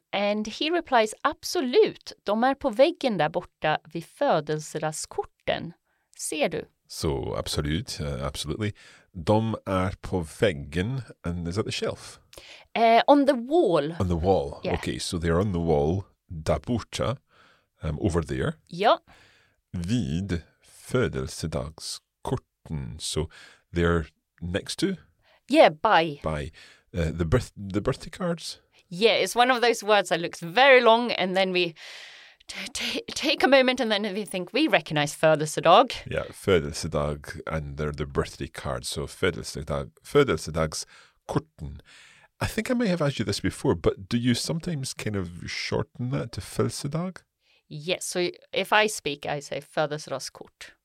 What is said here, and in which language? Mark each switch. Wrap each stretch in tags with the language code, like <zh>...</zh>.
<en>And he replies,</en> <sv>absolut, de är på väggen där borta vid födelsedagskorten. Ser du?</sv> <en>So, absolut, absolutely.</en> <sv>De är på väggen,</sv> <en>and is that the shelf? On the wall. On the wall, yeah. Okay, so they're on the wall,</en> <sv>där borta,</sv> <en>over there.</en> <sv>Ja. Vid födelsedagskorten,</sv> <en>so they're next to? Yeah, by. By. The birthday cards? Yeah, it's one of those words that looks very long and then we take a moment and then we think we recognize födelsedag. Yeah, födelsedag, and they're the birthday cards. So födelsedag, födelsedagskorten. I think I may have asked you this before, but do you sometimes kind of shorten that to födelsedag? Yes. So if I speak, I say födelsedagskort.</en>